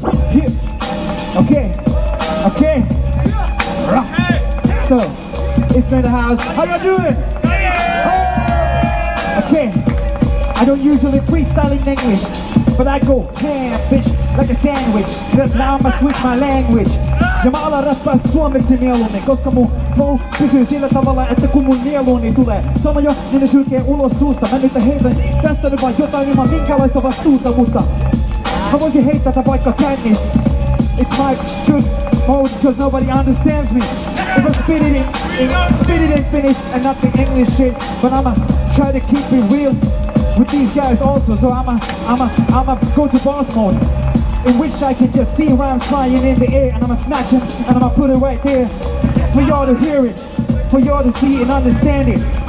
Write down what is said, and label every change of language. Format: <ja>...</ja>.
<en>Hip. Okay. Okay. Rock. So, it's been the house. How y'all doing? Okay. I don't usually freestyle in English, but I go ham, fish, like a sandwich. Just now I'ma switch my language.</en> <fi>Jamala rappaa suomeksi mieluummin, koska mun flow pysyy sillä tavalla, että kun mun nieluuni tulee sama jo, niin ne sylkee ulos suusta. Mä nyt heitän tästä nyt vaan jotain ilman minkälaista vastuuta, mutta mä voisin heittää tätä vaikka kännis.</fi> <en>It's my good mode, cause nobody understands me. If I spit it in Finnish and not the English shit, but I'ma try to keep it real with these guys also. So I'ma go to boss mode, in which I can just see rhymes flying in the air, and I'ma snatch them and I'ma put it right there for y'all to hear it, for y'all to see and understand it.</en>